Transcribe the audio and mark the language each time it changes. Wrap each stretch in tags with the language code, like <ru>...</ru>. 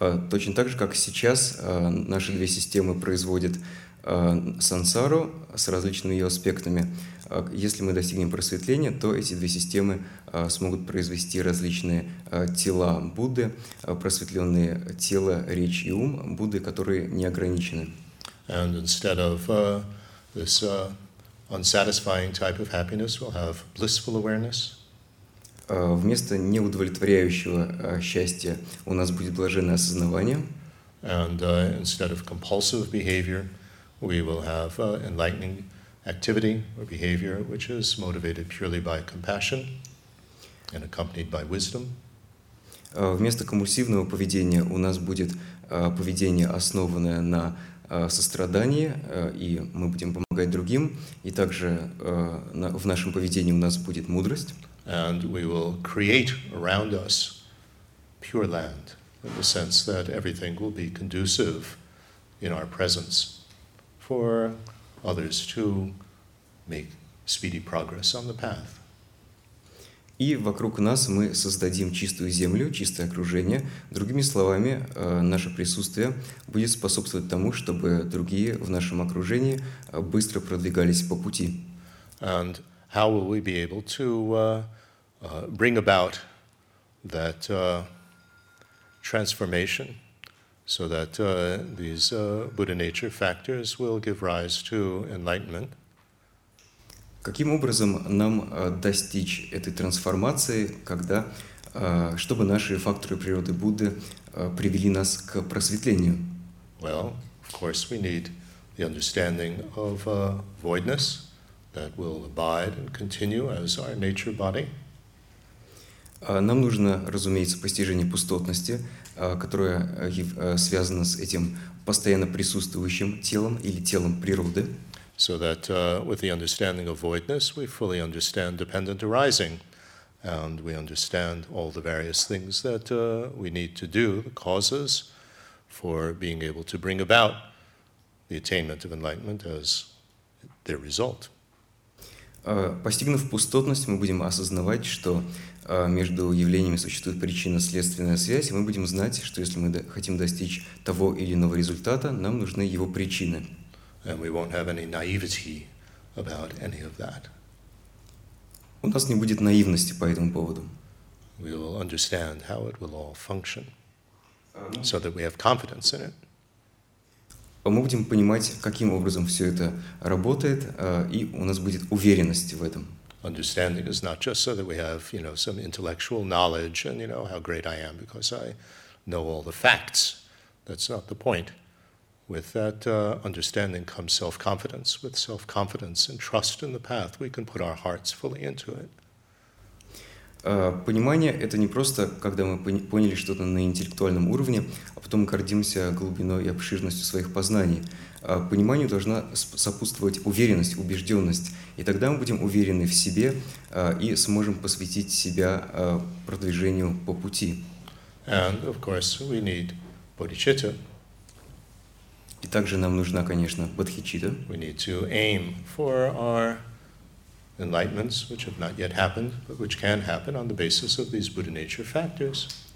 <ru>Точно так же, как сейчас наши две системы производят сансару с различными ее аспектами. Если мы достигнем просветления, то эти две системы смогут произвести различные тела Будды, просветленные тело, речь и ум Будды, которые не ограничены.</ru> <en>And instead of this unsatisfying type of happiness, we'll have blissful awareness.</en> <ru>Вместо неудовлетворяющего счастья у нас будет блаженное осознавание.</ru> <en>And instead of compulsive behavior, we will have enlightening activity or behavior, which is motivated purely by compassion and accompanied by wisdom.</en> <ru>Вместо компульсивного поведения у нас будет поведение, основанное на сострадание, и мы будем помогать другим, и также в нашем поведении у нас будет мудрость.</ru> <en>And we will create around us pure land, in the sense that everything will be conducive in our presence for others to make speedy progress on the path.</en> <ru>И вокруг нас мы создадим чистую землю, чистое окружение. Другими словами, наше присутствие будет способствовать тому, чтобы другие в нашем окружении быстро продвигались по пути.</ru> <en>And how will we be able to bring about that transformation so that these Buddha nature factors will give rise to enlightenment?</en> <ru>Каким образом нам достичь этой трансформации, когда, чтобы наши факторы природы Будды привели нас к просветлению?</ru> <en>Well, of course, we need the understanding of voidness, that will abide and continue as our nature body.</en> <ru>Нам нужно, разумеется, постижение пустотности, которое связано с этим постоянно присутствующим телом или телом природы.</ru> <en>So that with the understanding of voidness, we fully understand dependent arising, and we understand all the various things that we need to do, the causes for being able to bring about the attainment of enlightenment as their result.</en> <ru>Постигнув пустотность, мы будем осознавать, что между явлениями существует причинно-следственная связь, и мы будем знать, что если мы хотим достичь того или иного результата, нам нужны его причины.</ru> <en>And we won't have any naivety about any of that.</en> <ru>У нас не будет наивности по этому поводу.</ru> <en>We will understand how it will all function, so that we have confidence in it.</en> <ru>Мы будем понимать, каким образом все это работает, и у нас будет уверенность в этом.</ru> <en>Understanding is not just so that we have, you know, some intellectual knowledge and, you know, how great I am because I know all the facts. That's not the point. With that understanding comes self-confidence. With self-confidence and trust in the path, we can put our hearts fully into it.</en> <ru>Понимание — это не просто, когда мы поняли что-то на интеллектуальном уровне, а потом гордимся глубиной и обширностью своих познаний. Пониманию должна сопутствовать уверенность, убежденность. И тогда мы будем уверены в себе и сможем посвятить себя продвижению по пути.</ru> <en>And, of course, we need bodhicitta.</en> <ru>И также нам нужна, конечно, бодхичитта.</ru> <en>We need to aim for our enlightenments, which have not yet happened, but which can happen on the basis of these Buddha nature factors.</en>